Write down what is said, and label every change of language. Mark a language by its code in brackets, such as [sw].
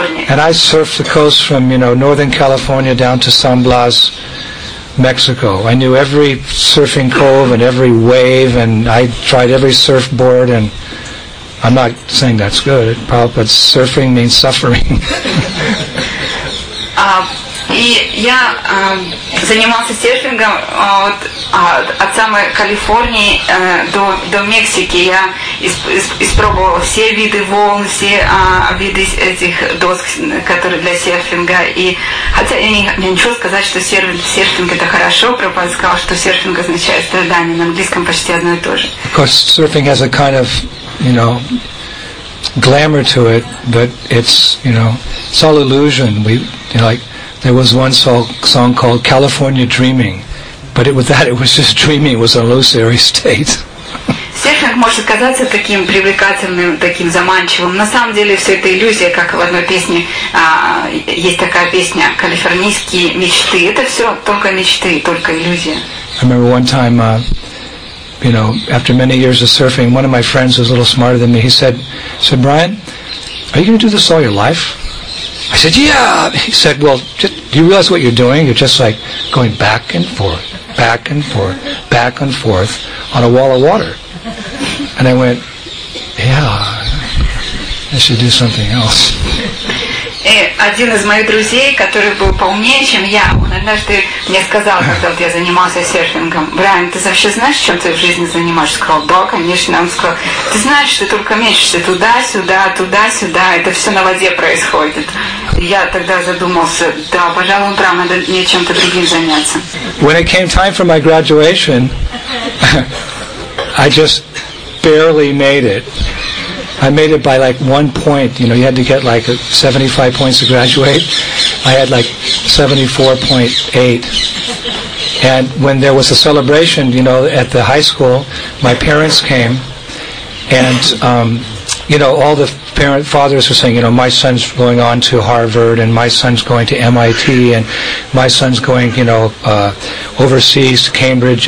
[en] And I surfed the coast from, you know, Northern California down to San Blas, Mexico. I knew every surfing cove and every wave, and I tried every surfboard, and I'm not saying that's good, but surfing means suffering. [ru] И я занимался серфингом от самой Калифорнии до Мексики. Я испробовала все виды волн, все виды этих досок, которые для серфинга. И хотя я не хочу сказать, что серфинг это хорошо, Прабхупада сказал, что серфинг означает страдание. На английском почти одно и то же. [en] Of course, surfing has a kind of, you know, glamour to it, but it's, you know, it's all illusion. We, you know, like, there was one song called California Dreaming, but it was just dreaming, it was an illusory state. [ru] Серфинг может казаться таким привлекательным, таким заманчивым. На самом деле все это иллюзия, как в одной песне есть такая песня «Калифорнийские мечты». Это все только мечты, только иллюзия. [en] I remember one time, you know, after many years of surfing, one of my friends was a little smarter than me. He said, Brian, are you going to do this all your life? I said, yeah. He said, well, just, do you realize what you're doing? You're just like going back and forth, back and forth, back and forth on a wall of water. And I went, yeah, I should do something else. [ru] И один из моих друзей, который был поумнее, чем я, он однажды мне сказал, когда я занимался серфингом, Брайан, ты вообще знаешь, чем ты в жизни занимаешься? Сказал, да, конечно. Он сказал, ты знаешь, ты только мечешься туда-сюда, туда-сюда, это все на воде происходит. И я тогда задумался, да, пожалуй, он прав, надо мне чем-то другим заняться. [en] When it came time for my graduation, I just barely made it. I made it by like one point, you know, you had to get like 75 points to graduate. I had like 74.8. And when there was a celebration, you know, at the high school, my parents came, and, you know, all the fathers were saying, you know, my son's going on to Harvard, and my son's going to MIT, and my son's going, you know, overseas to Cambridge.